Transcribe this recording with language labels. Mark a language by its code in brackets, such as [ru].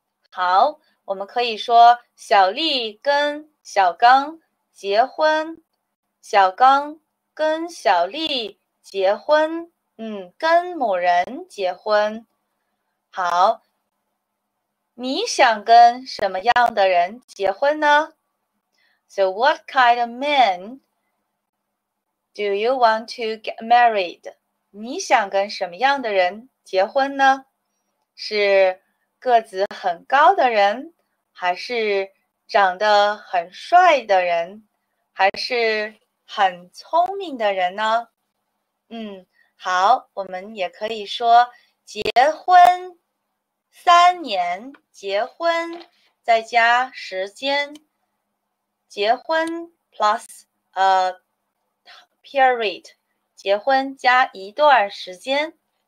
[zh] 好，我们可以说小丽跟小刚结婚，小刚跟小丽结婚，跟某人结婚。好，你想跟什么样的人结婚呢？ [en] So what kind of man do you want to get married? [zh] 你想跟什么样的人结婚呢？是个子很高的人，还是长得很帅的人，还是很聪明的人呢？好，我们也可以说结婚三年，结婚再加时间，结婚 [en] plus a period， [zh] 结婚加一段时间。